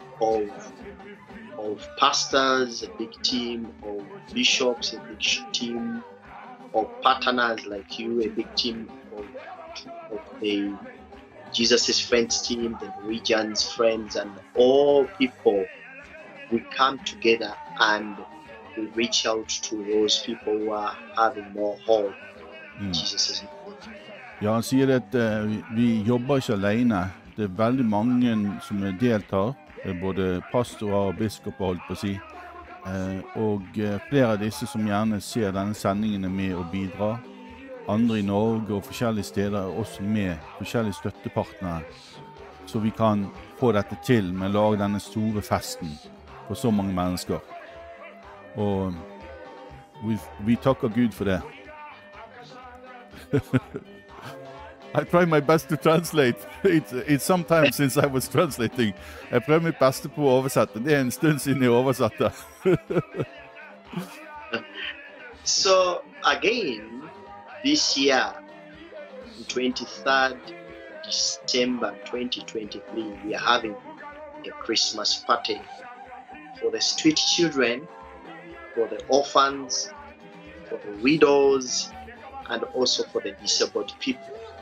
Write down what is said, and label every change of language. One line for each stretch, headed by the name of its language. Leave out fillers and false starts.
English: Of pastors, a big team, of bishops, a big team, of partners like you, a big team, of the Jesus' friends team, the Norwegians' friends, and all people. We come together and we reach out to those people who are having more hope in Jesus' name.
Norwegian: Ja, han sier at vi jobber ikke alene. Det veldig mange som deltar. Både pastorer og biskoper, holdt på å si. Og flere av disse som gjerne ser denne sendingen med å bidra. Andre I Norge og forskjellige steder også med forskjellige støttepartnere. Så vi kan få dette til med å lage denne store festen for så mange mennesker. Og we takker Gud for det.
English: I try my best to translate. It's some time since I was translating.
Norwegian: Jeg prøver mitt beste på å oversette. Det en stund siden jeg oversatte.
English: So again, this year, 23rd December 2023, we are having a Christmas party for the street children, for the orphans, for the widows, and also for the disabled people.